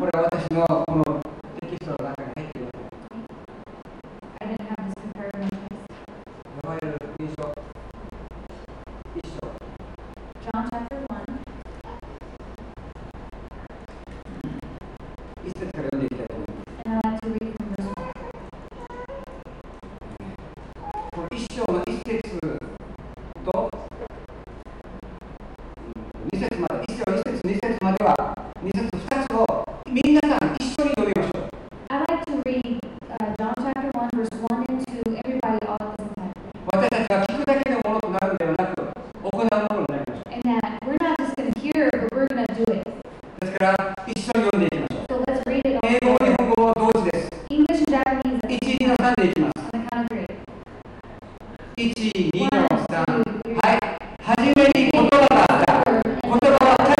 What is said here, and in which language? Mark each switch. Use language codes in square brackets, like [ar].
[ja] これは私のこのテキストの中に入っているわけです。 [en] I didn't have this prepared in this. [ja] ヨハネの福音書。一章。 [en] John chapter 1. [ja] 一節から読んでいきたいと思います。 [en] And I'd like to read from this one. [ja] 一章の一節と二節まで、一章一節二節までは、二節二つを皆さん一緒に読みましょう。 [en] I'd like to read John chapter 1 verse 1 and 2 everybody all at the same time. [ja] 私たちは聞くだけのものとなるのではなく、行うものになりましょう。 [en] And that we're not just going to hear, but we're going to do it. [ja] ですから一緒に読んでいきましょう。 [en] So let's read it. [ja] 英語日本語は同時です。 [en] English and Japanese. [ja] 一二の三でいきます。 1、2、3、はい、はじめに言葉があった。言葉は